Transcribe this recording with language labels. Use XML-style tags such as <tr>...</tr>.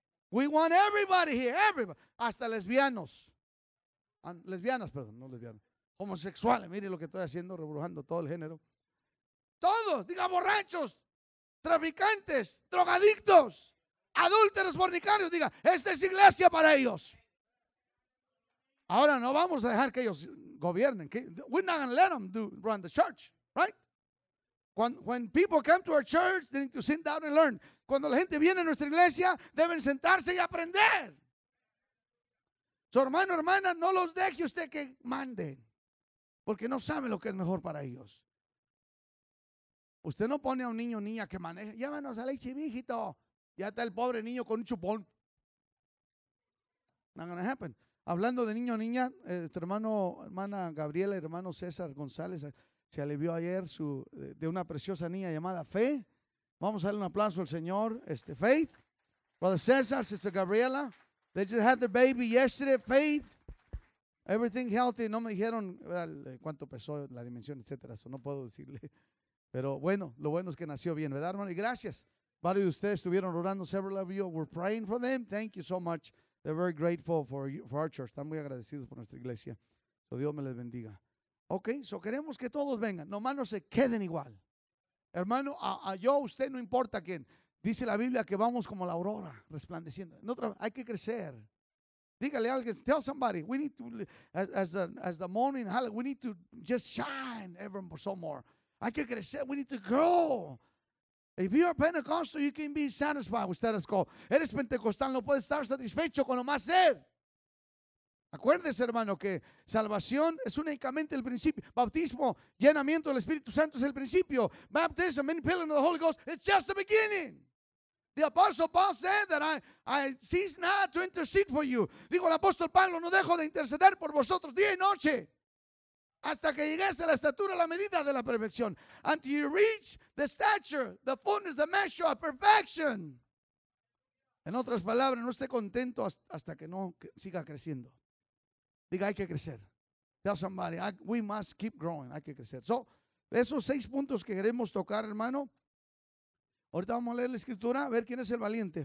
<en>We want everybody here, everybody,</en> <es>hasta lesbianos, lesbianas, perdón, no lesbianas, homosexuales, mire lo que estoy haciendo, rebrujando todo el género. Todos, diga, borrachos, traficantes, drogadictos. Adúlteros, fornicarios, diga, esta es iglesia para ellos. Ahora no vamos a dejar que ellos gobiernen.</es> <en>We're not going to let them run the church, right? When people come to our church, they need to sit down and learn.</en> <es>Cuando la gente viene a nuestra iglesia, deben sentarse y aprender. Su hermano, hermana, no los deje usted que manden, porque no sabe lo que es mejor para ellos. Usted no pone a un niño o niña que maneje. Llévanos a la HIV, hijito. Ya está el pobre niño con un chupón.</es> <en>Not gonna happen.</en> <es>Hablando de niño o niña, tu hermano, hermana Gabriela, hermano César González, se alivió ayer de una preciosa niña llamada Fe. Vamos a darle un aplauso al Señor, Faith.</es> <en>Brother César, Sister Gabriela, they just had their baby yesterday, Faith. Everything healthy.</en> <es>No me dijeron cuánto pesó, la dimensión, etcétera. Eso no puedo decirle. Pero bueno, lo bueno es que nació bien, ¿verdad, hermano? Y gracias. Varios de ustedes estuvieron orando,</es> <en>several of you were praying for them. Thank you so much. They're very grateful for our church.</en> <es>Están muy agradecidos por nuestra iglesia. So Dios me les bendiga. Ok, so queremos que todos vengan. Nomás no se queden igual. Hermano, usted no importa quién. Dice la Biblia que vamos como la aurora resplandeciendo. Hay que crecer. Dígale a alguien,</es> <en>tell somebody, we need to, as the morning, we need to just shine ever some more.</en> <es>Hay que crecer,</es> <en>we need to grow. If you are Pentecostal, you can be satisfied with status quo.</en> <es>Eres pentecostal, no puedes estar satisfecho con lo más ser. Acuérdese, hermano, que salvación es únicamente el principio. Bautismo, llenamiento del Espíritu Santo es el principio.</es> <en>Baptism, infilling of the Holy Ghost, it's just the beginning. The Apostle Paul said that I cease not to intercede for you.</en> <es>Digo, el apóstol Pablo, no dejo de interceder por vosotros día y noche. Hasta que llegues a la estatura, la medida de la perfección.</es> <en>Until you reach the stature, the fullness, the measure of perfection.</en> <es>En otras palabras, no esté contento hasta que no siga creciendo. Diga, hay que crecer.</es> <en>Tell somebody, we must keep growing.</en> <es>Hay que crecer. So, de esos seis puntos que queremos tocar, hermano, ahorita vamos a leer la escritura, a ver quién es el valiente.</es>